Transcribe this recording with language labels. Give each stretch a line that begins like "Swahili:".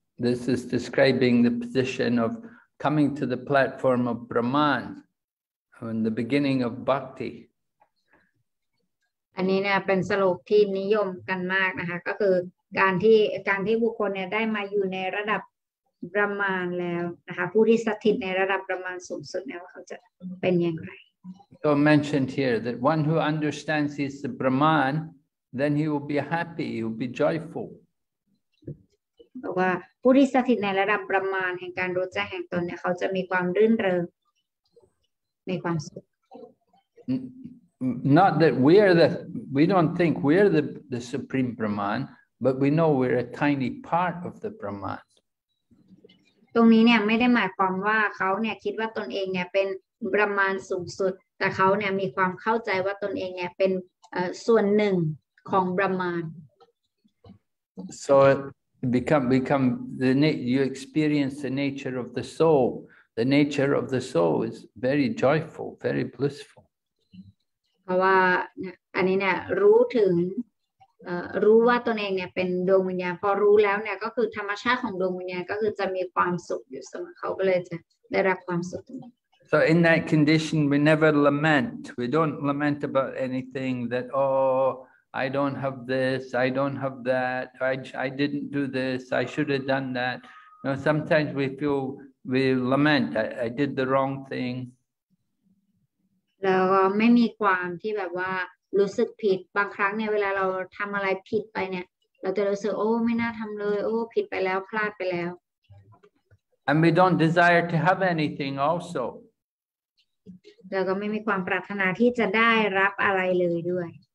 English: This is describing the position of coming to the platform of Brahman in the beginning of bhakti.
Thai: อันนี้เนี่ยเป็นสโลกที่นิยมกันมากนะคะก็คือการที่บุคคลเนี่ยได้มาอยู่ในระดับBrahman แล้วนะคะผู้ที่สถิตในระดับ Brahman สูงสุดเนี่ยว่าเขาจะเป็นอย่างไร
English: So mentioned here that one who understands he's the Brahman then he will be happy he will be joyful
Thai: แบบว่าผู้ที่สถิตในระดับประมาณแห่งการรู้แจ้งแห่งตนเนี่ยเขาจะมีความรื่นเริงในความสุข
English: Not that we are the, we don't think we are the supreme Brahman, but we know we're a tiny part of the Brahman.
Thai: ตรงนี้เนี่ยไม่ได้หมายความว่าเขาเนี่ยคิดว่าตนเองเนี่ยเป็นบรมานสูงสุดแต่เขาเนี่ยมีความเข้าใจว่าตนเองเนี่ยเป็นส่วนหนึ่งของบรมาน
English: So it become the you experience the nature of the soul. The nature of the soul is very joyful, very blissful.
Thai: เพราะว่าอันนี้เนี่ยรู้ถึงรู้ว่าตนเองเนี่ยเป็นดวงวิญญาณพอรู้แล้วเนี่ยก็คือธรรมชาติของดวงวิญญาณก็คือจะมีความสุขอยู่เสมอเขาก็เลยจะได้รับความสุข
English: So in that condition we never lament we don't lament about anything that oh I don't have this I don't have that I didn't do this I should have done that now sometimes we feel we lament I did the wrong thing
Thai: แล้วไม่มีความที่แบบว่ารู้สึกผิดบางครั้งเนี่ยเวลาเราทำอะไรผิดไปเนี่ยเราจะรู้สึกโอ้ไม่น่าทำเลยโอ้ผิดไปแล้วพลาดไปแล้ว
English: And we don't desire to have anything also
Thai: แล้วก็ไม่มีความปรารถนาที่จะได้รับอะไรเลยด้วย